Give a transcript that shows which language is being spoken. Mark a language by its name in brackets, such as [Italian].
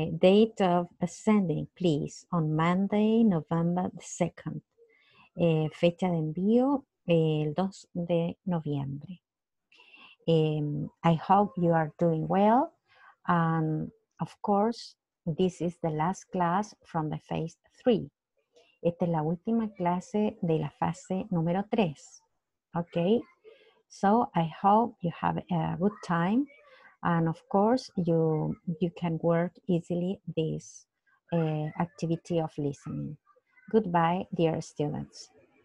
[English] Date of sending, please, on Monday, November the 2nd. [Spanish] Fecha de envío, el 2 de noviembre. [English] I hope you are doing well. Of course, this is the last class from the phase 3. [Spanish] Esta es la última clase de la fase número 3. [English] Okay? So, I hope you have a good time. And of course, you can work easily this activity of listening. Goodbye, dear students.